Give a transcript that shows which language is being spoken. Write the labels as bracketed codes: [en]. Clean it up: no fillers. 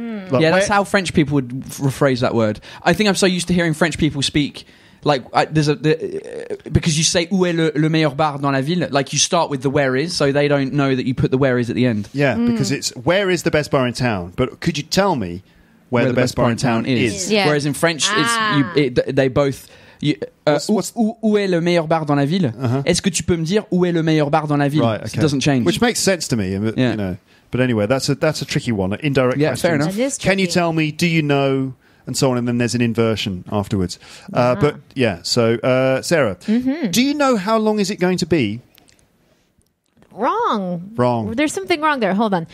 [en] Like, yeah, that's how French people would rephrase that word. I think I'm so used to hearing French people speak like because you say [fr] où est le meilleur bar dans la ville, [en] like you start with the where is, so they don't know that you put the where is at the end. Yeah, because it's where is the best bar in town, but could you tell me where the best bar in town is? Yeah. Whereas in French [fr] où est le meilleur bar dans la ville? [en] Uh-huh. [fr] Est-ce que tu peux me dire où est le meilleur bar dans la ville? [en] Right, okay. So it doesn't change. Which makes sense to me, but, yeah. You know. But anyway, that's a tricky one. Indirect question. Yeah, fair enough. Can you tell me, do you know, and so on, and then there's an inversion afterwards. But yeah, so Sarah, do you know how long is it going to be? Wrong. There's something wrong there. Hold on.